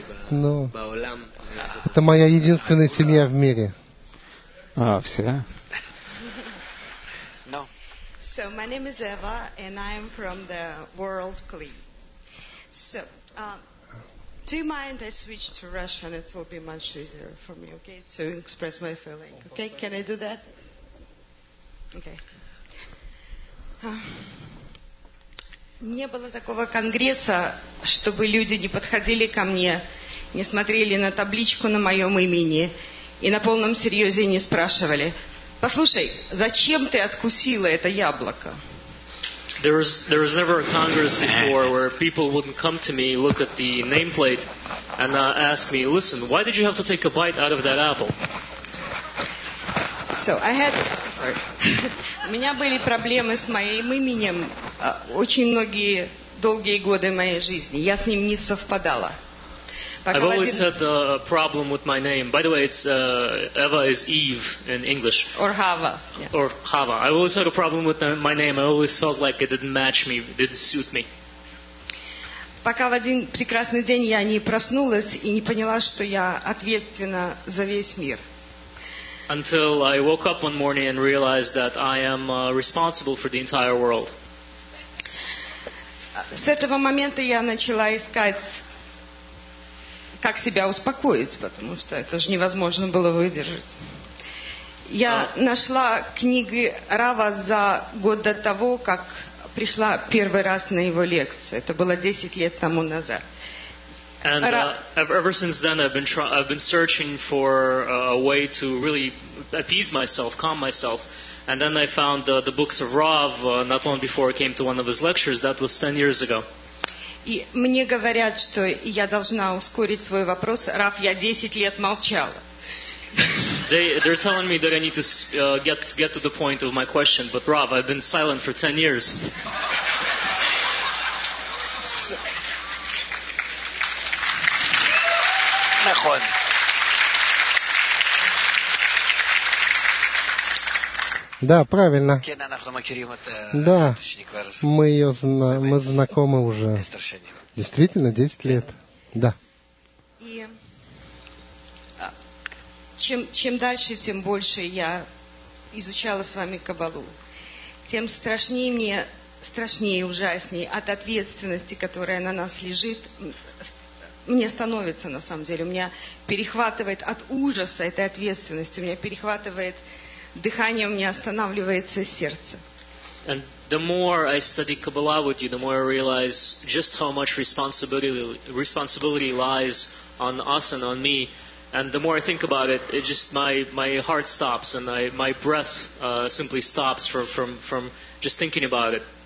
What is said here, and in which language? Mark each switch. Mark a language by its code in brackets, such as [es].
[ru] Ну, это моя единственная семья в мире. А, все? [en] No. So, my name is Eva, and I'm from the World Clean. So, do you mind I switch to Russian? It will be much easier for me, okay? To express my feeling. Okay, can I do that? Okay. [ru] Не было такого конгресса, чтобы люди не подходили ко мне, не смотрели на табличку на моем имени и на полном серьезе не спрашивали: «Послушай, зачем ты откусила это яблоко?» [en] There was never a congress before where people wouldn't come to me, look at the nameplate and ask me, «Listen, why did you have to take a bite out of that apple?» So I had, sorry. [ru] У меня были проблемы с моим именем очень многие долгие годы моей жизни. Я с ним не совпадала. [en] I've always had a problem with my name. By the way, it's Eva is Eve in English. Or Hava. Yeah. Or Hava. I always had a problem with my name. I always felt like it didn't match me, didn't suit me. [ru] Пока в один прекрасный день я не проснулась и не поняла, что я ответственна за весь мир. [en] Until I woke up one morning and realized that I am responsible for the entire world. [ru] С этого момента я начала искать, как себя успокоить, потому что это же невозможно было выдержать. Я нашла книги Рава за год до того, как пришла первый раз на его лекцию. Это было 10 лет тому назад. [en] And ever since then I've been searching for a way to really appease myself, calm myself. And then I found the books of Rav not long before I came to one of his lectures. That was 10 years ago. [ru] И мне говорят, что я должна ускорить свой вопрос. Рав, я 10 лет молчала. [en] They're telling me that I need to get to the point of my question, but Rav, I've been silent for 10 years. [he] Нахон. [ru] Да, правильно. Да. Мы знакомы уже. Действительно, 10 лет. Да. Чем дальше, тем больше я изучала с вами Каббалу, тем страшнее мне, страшнее и ужаснее от ответственности, которая на нас лежит, мне становится на самом деле. У меня перехватывает от ужаса этой ответственности, у меня перехватывает дыхание, у меня останавливается сердце. [en] And the more I study Kabbalah with you, the more I realize just how much responsibility lies on us and on me. And the more I think about it, it just my heart stops and my breath simply stops from just thinking about it.